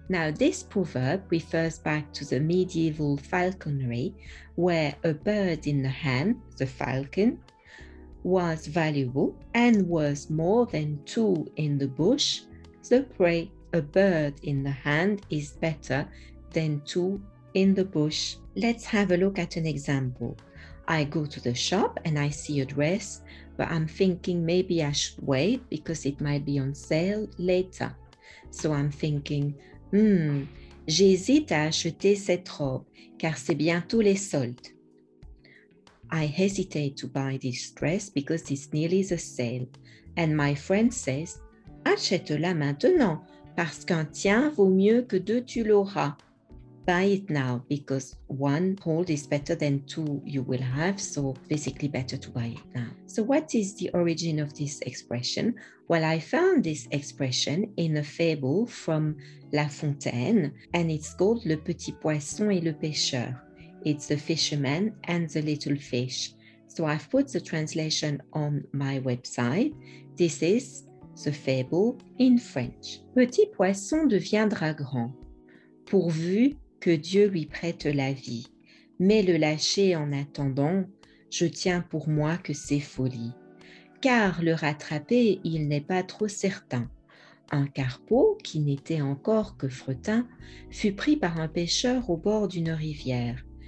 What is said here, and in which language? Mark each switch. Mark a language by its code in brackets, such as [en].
[en] Now, this proverb refers back to the medieval falconry, where a bird in the hand, the falcon, was valuable and worth more than two in the bush, the prey. A bird in the hand is better than two in the bush. Let's have a look at an example. I go to the shop and I see a dress, but I'm thinking maybe I should wait because it might be on sale later. So I'm thinking, [fr] j'hésite à acheter cette robe car c'est bientôt les soldes. [en] I hesitate to buy this dress because it's nearly the sale. And my friend says, [fr] achète-la maintenant, parce qu'un tien vaut mieux que deux tu l'auras. [en] Buy it now, because one hold is better than two you will have, so basically better to buy it now. So what is the origin of this expression? Well, I found this expression in a fable from La Fontaine, and it's called Le Petit Poisson et le Pêcheur. It's the fisherman and the little fish. So I've put the translation on my website. This is the fable in French. [fr] Petit poisson deviendra grand, pourvu que Dieu lui prête la vie. Mais le lâcher en attendant, je tiens pour moi que c'est folie. Car le rattraper, il n'est pas trop certain. Un carpeau, qui n'était encore que fretin, fut pris par un pêcheur au bord d'une rivière.